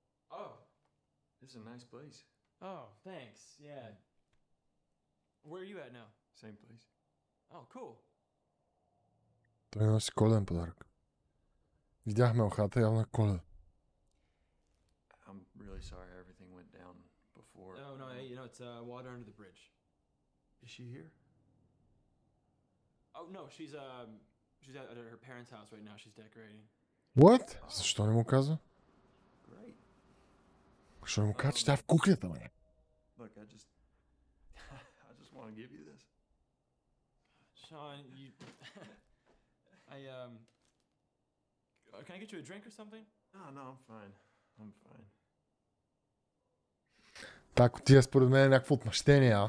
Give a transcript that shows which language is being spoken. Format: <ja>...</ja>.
<en>Oh. This is a nice place. Oh, thanks. Yeah. Where are you at now? Same place. Oh, cool.</en> <bg>Той носи коледен подарък. Видяхме ухата, явно е коледа.</bg> <en>I'm really sorry everything went down before. Oh, no, you know, it's water under the bridge. Is she here? Oh, no, she's at her parents' house right now. She's decorating. What?</en> <bg>Защо не му каза?</bg> <en>Great.</en> <bg>Защо не му каза, че тя е в кухнята, ме?</bg> <en>Look, I just want to give you this. Sean, you... Can I get you a drink or something? Oh, no, I'm fine.</en> <bg>Та кутия според мен е някакво отмъщение, а?</bg>